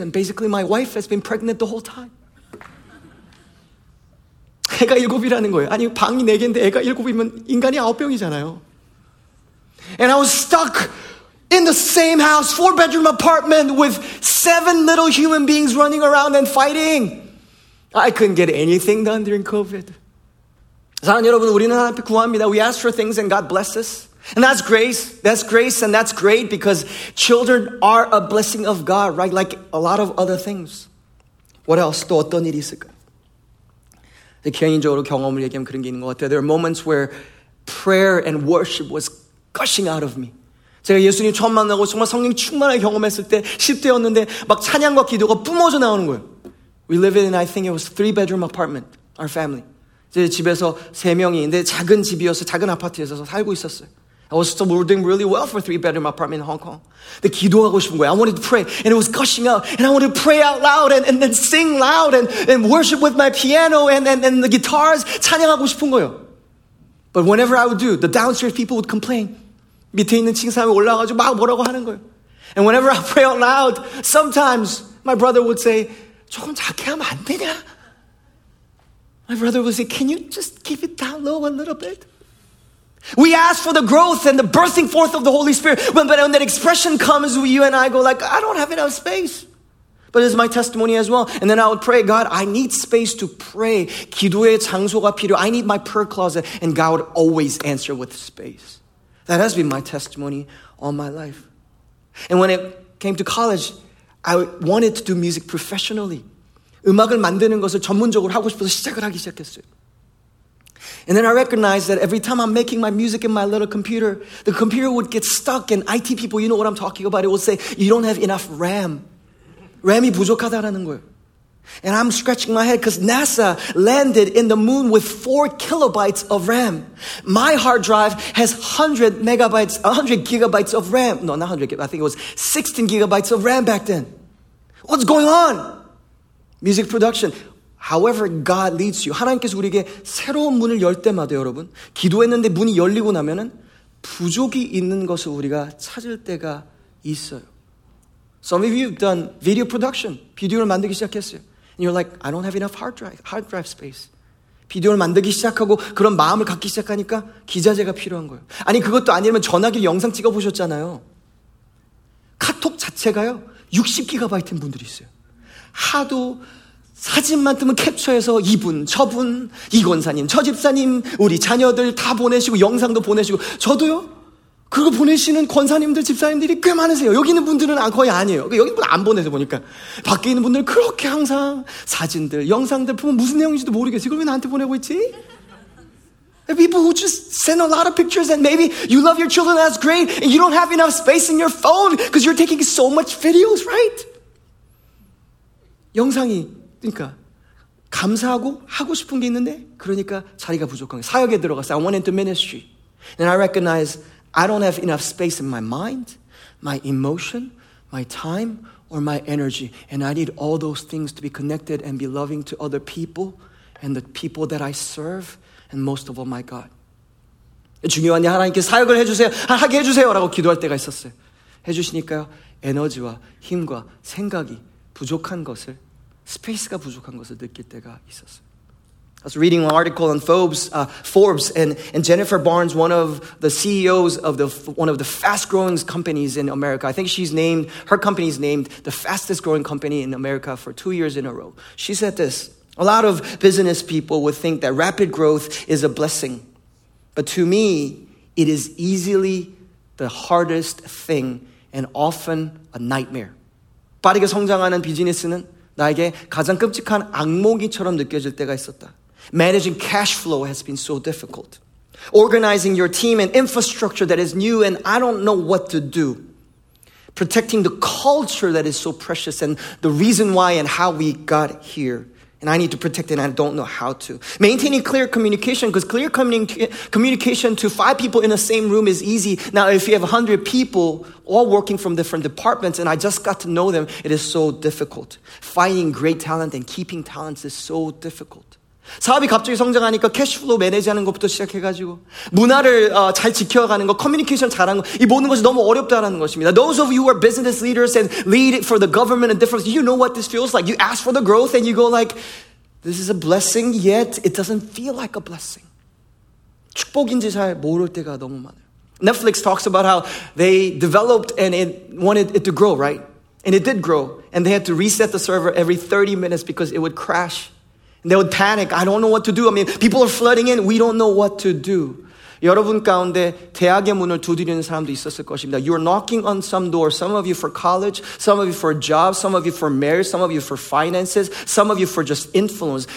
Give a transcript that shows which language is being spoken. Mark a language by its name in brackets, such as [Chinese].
[English] And basically my wife has been pregnant the whole time. [Korean] 애가 일곱이라는 거예요. 아니 방이 네 개인데 애가 일곱이면 인간이 아홉 병이잖아요. [English] And I was stuck in the same house, four bedroom apartment with seven little human beings running around and fighting. I couldn't get anything done during COVID. [Korean] 사랑하는 여러분, 우리는 하나님께 구합니다. [English] We ask for things and God bless us. And that's grace. That's grace and that's great because children are a blessing of God, right? Like a lot of other things. What else? [Korean] 또 어떤 일이 있을까? 개인적으로 경험을 얘기하면 그런 게 있는 것 같아요. [English] There are moments where prayer and worship was gushing out of me. [Korean] 제가 예수님 처음 만나고 정말 성령 충만하게 경험했을 때 10대였는데 막 찬양과 기도가 뿜어져 나오는 거예요. [English] We live in, I think it was a three-bedroom apartment, our family. [Korean] 제 집에서 세 명이인데 작은 집이어서 작은 아파트에서 살고 있었어요. [English] I was still doing really well for a three-bedroom apartment in Hong Kong. [Korean] 근데 기도하고 싶은 거예요. [English] I wanted to pray, and it was gushing out, and I wanted to pray out loud, and then sing loud, and worship with my piano, and the guitars, [Korean] 찬양하고 싶은 거예요. [English] But whenever I would do, the downstairs people would complain. [Korean] 밑에 있는 칭사람이 올라가서 막 뭐라고 하는 거예요. [English] And whenever I pray out loud, sometimes my brother would say, [Korean] 조금 작게 하면 안 되냐? [English] My brother would say, can you just keep it down low a little bit? We ask for the growth and the bursting forth of the Holy Spirit. But when that expression comes, you and I go like, I don't have enough space. But it's my testimony as well. And then I would pray, God, I need space to pray. [Korean] 기도의 장소가 필요. [English] I need my prayer closet. And God would always answer with space. That has been my testimony all my life. And when it came to college, I wanted to do music professionally. [Korean] 음악을 만드는 것을 전문적으로 하고 싶어서 시작을 하기 시작했어요. [English] And then I recognized that every time I'm making my music in my little computer, the computer would get stuck and IT people, you know what I'm talking about, it would say, you don't have enough RAM. [Korean] RAM이 부족하다라는 거예요. [English] And I'm scratching my head because NASA landed in the moon with 4 kilobytes of RAM. My hard drive has 100 gigabytes of RAM. No, not 100 gigabytes. I think it was 16 gigabytes of RAM back then. What's going on? Music production. However God leads you. [Korean] 하나님께서 우리에게 새로운 문을 열 때마다 여러분, 기도했는데 문이 열리고 나면은 부족이 있는 것을 우리가 찾을 때가 있어요. [English] Some of you have done video production. [Korean] 비디오를 만들기 시작했어요. [English] And you're like, I don't have enough hard drive space. [Korean] 비디오를 만들기 시작하고 그런 마음을 갖기 시작하니까 기자재가 필요한 거예요. 아니, 그것도 아니라면 전화기를 영상 찍어보셨잖아요. 카톡 자체가요, 60GB인 분들이 있어요. 하도 사진만 뜨면 캡처해서 이분, 저분, 이 권사님, 저 집사님, 우리 자녀들 다 보내시고 영상도 보내시고 저도요? 그리고 보내시는 권사님들, 집사님들이 꽤 많으세요. 여기 있는 분들은 거의 아니에요. 여기 있는 분 안 보내서 보니까. 밖에 있는 분들 그렇게 항상 사진들, 영상들 보면 무슨 내용인지도 모르겠어요. 이걸 왜 나한테 보내고 있지? [English] People who just send a lot of pictures and maybe you love your children, that's great. And you don't have enough space in your phone because you're taking so much videos, right? [Korean] 영상이, 그러니까 감사하고 하고 싶은 게 있는데 그러니까 자리가 부족한 거예요. 사역에 들어갔어요. [English] I went into ministry. And I recognize I don't have enough space in my mind, my emotion, my time, or my energy. And I need all those things to be connected and be loving to other people and the people that I serve, and most of all, my God. [Korean] 중요한 게 하나님께 사역을 해주세요. 하게 해주세요. 라고 기도할 때가 있었어요. 해주시니까요. 에너지와 힘과 생각이 부족한 것을, 스페이스가 부족한 것을 느낄 때가 있었어요. [English] I was reading an article on Forbes and Jennifer Barnes, one of the CEOs of one of the fast-growing companies in America. I think her company is named the fastest-growing company in America for 2 years in a row. She said this, a lot of business people would think that rapid growth is a blessing, but to me, it is easily the hardest thing and often a nightmare. [Korean] 빠르게 성장하는 비즈니스는 나에게 가장 끔찍한 악몽이처럼 느껴질 때가 있었다. [English] Managing cash flow has been so difficult. Organizing your team and infrastructure that is new and I don't know what to do. Protecting the culture that is so precious and the reason why and how we got here. And I need to protect it and I don't know how to. Maintaining clear communication, because clear communication to 5 people in the same room is easy. Now if you have 100 people all working from different departments and I just got to know them, it is so difficult. Finding great talent and keeping talents is so difficult. [Korean] 사업이 갑자기 성장하니까 캐시플로우 매니지하는 것부터 시작해가지고 문화를 잘 지켜가는 거, 커뮤니케이션 잘하는 거, 이 모든 것이 너무 어렵다라는 것입니다. [English] Those of you who are business leaders and lead for the government and different, you know what this feels like. You ask for the growth and you go like, this is a blessing, yet it doesn't feel like a blessing. [Korean] 축복인지 잘 모를 때가 너무 많아요. [English] Netflix talks about how they developed and it wanted it to grow, right? And it did grow. And they had to reset the server every 30 minutes because it would crash. They would panic. I don't know what to do. I mean, people are flooding in. We don't know what to do. [Korean] 여러분 가운데 대학의 문을 두드리는 사람도 있었을 것입니다. [English] You are knocking on some door. Some of you for college, some of you for a job, some of you for marriage, some of you for finances, some of you for just influence.